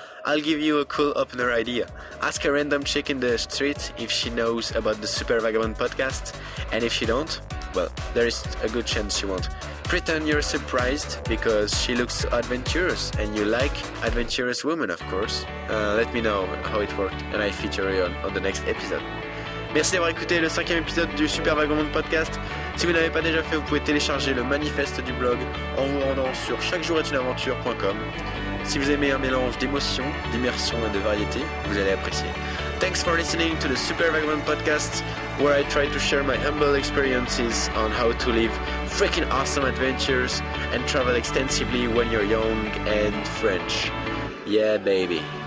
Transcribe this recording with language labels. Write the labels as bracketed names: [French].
[English] I'll give you a cool opener idea. Ask a random chick in the street if she knows about the Super Vagabond podcast, and if she don't, well, there is a good chance she won't. Pretend you're surprised because she looks adventurous and you like adventurous women, of course. Let me know how it worked and I feature you on the next episode. [French] Merci d'avoir écouté le cinquième épisode du Super Vagabond Podcast. Si vous ne l'avez pas déjà fait, vous pouvez télécharger le manifeste du blog en vous rendant sur chaquejouretuneaventure.com. Si vous aimez un mélange d'émotion, d'immersion et de variété, vous allez apprécier. [English] Thanks for listening to the Super Vagabond Podcast, where I try to share my humble experiences on how to live freaking awesome adventures and travel extensively when you're young and French. Yeah, baby.